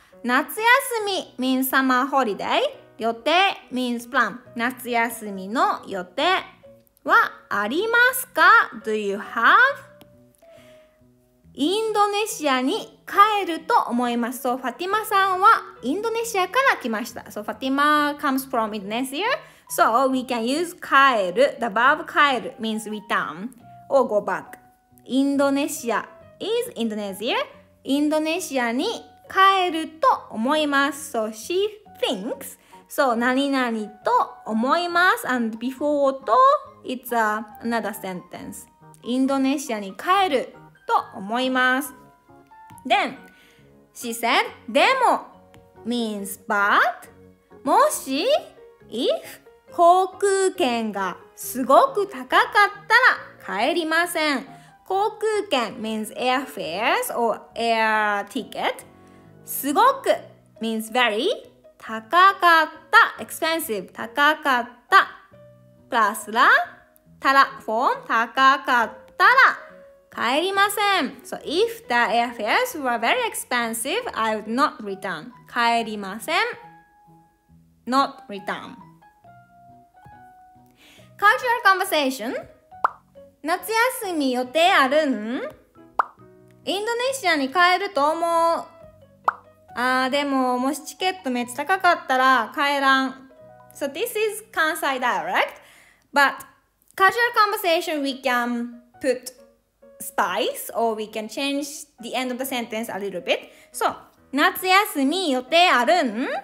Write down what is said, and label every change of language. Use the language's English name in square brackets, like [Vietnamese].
[English] 夏休み means summer holiday. 予定 means plan. [Japanese] 夏休みの予定はありますか？ [English] Do you have? [Japanese] インドネシアに帰ると思います。So, ファティマさんはインドネシアから来ました。 [English] So, ファティマ comes from Indonesia. So, we can use 帰る. The verb 帰る means return or go back. Indonesia is Indonesia. Indonesia [Japanese] に帰ると思います. [English] So, she thinks. So, 何々と思います. And before と, it's another sentence. Indonesia [Japanese] に帰ると思います. [English] Then, she said, でも means but. もし, if. [Japanese] 航空券がすごく高かったら帰りません。 [English] 航空券 means airfares or air ticket. すごく means very. 高かった expensive. 高かった plus らたら form. [Japanese] 高かったら帰りません。 [English] So if the airfares were very expensive, I would not return. [Japanese] 帰りません。 [English] Not return. Cultural conversation. [Japanese] 夏休み予定あるん？インドネシアに帰ると思う。ああ、でももしチケットめっちゃ高かったら帰らん。 [English] So this is Kansai dialect. But casual conversation, we can put spice or we can change the end of the sentence a little bit. So [Japanese] 夏休み予定あるん？